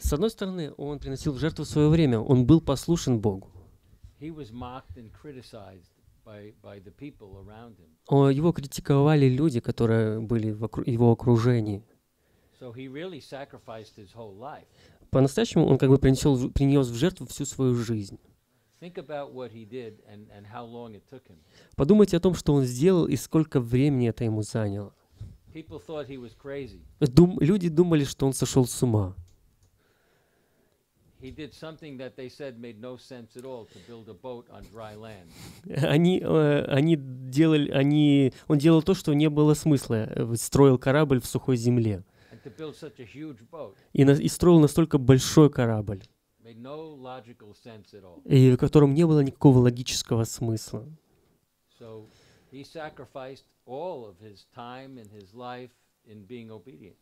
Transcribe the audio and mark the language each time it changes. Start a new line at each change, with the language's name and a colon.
Russian: С одной стороны, он приносил в жертву свое время. Он был послушен Богу.
English: He was mocked and criticized by the people around him.
Russian: Его критиковали люди, которые были в его окружении.
English: So he really sacrificed his whole life.
Russian: По-настоящему он как бы принес в жертву всю свою жизнь.
English: Think about what he did and how long it took him.
Russian: Подумайте о том, что он сделал и сколько времени это ему заняло.
English: People thought he was crazy.
Russian: Люди думали, что он сошел с ума.
English: He did something that they said made no sense at all to build a boat on dry land.
Russian: Он делал то, что не было смысла, строил корабль в сухой земле.
English: And to build such a huge boat.
Russian: И строил настолько большой корабль.
English: No logical sense at all.
Russian: И в котором не было никакого логического смысла.
English: So he sacrificed all of his time and his life in being obedient.